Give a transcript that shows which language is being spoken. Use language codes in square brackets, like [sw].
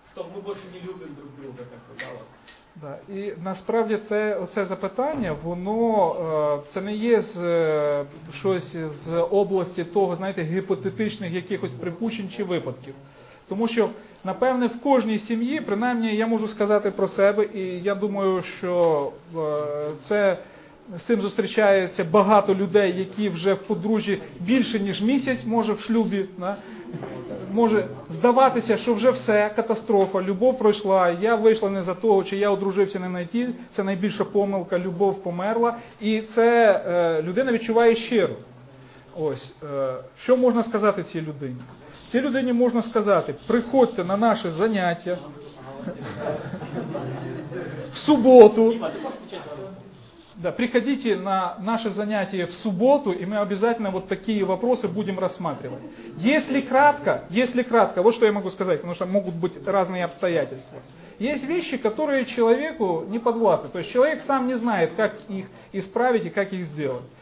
[ru] Что мы больше не любим друг друга, как бы, да, вот. Да. [uk] І насправді це запитання, воно це не є щось з області того, знаєте, гіпотетичних якихось припущень чи випадків. Тому що, напевне, в кожній сім'ї, принаймні, я можу сказати про себе, і я думаю, що з цим зустрічається багато людей, які вже в подружжі більше, ніж місяць, може, в шлюбі. Да? Може здаватися, що вже все, катастрофа, любов пройшла, я вийшла не за того, чи я одружився не на ті, це найбільша помилка, любов померла. І це людина відчуває щиро. Ось, що можна сказати цій людині? Цій людині можна сказати, приходьте на наше заняття в суботу. [ru] Да, приходите на наше занятие в субботу, и мы обязательно вот такие вопросы будем рассматривать. Если кратко, вот что я могу сказать, потому что могут быть разные обстоятельства. Есть вещи, которые человеку не подвластны. То есть человек сам не знает, как их исправить и как их сделать.